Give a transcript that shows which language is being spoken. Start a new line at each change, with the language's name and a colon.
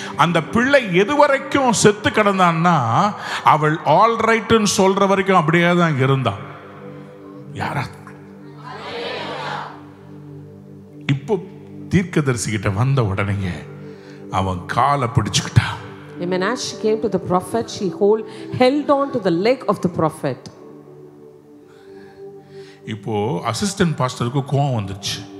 Tamil: அந்த பிள்ளை எது வரைக்கும் செத்து கிடந்தான்னா அவள் ஆல் ரைட்னு சொல்ற வரைக்கும் அப்படியே தான் இருந்தான். யாரா இப்போ தீர்க்கதரிசி கிட்ட வந்த உடனே அவன் காலை பிடிச்சுக்கிட்டான்.
English: When she came to the prophet, she held on to the leg of the prophet.
Tamil: இப்போ அசிஸ்டன்ட் பாஸ்டருக்கு கோவம் வந்துச்சு.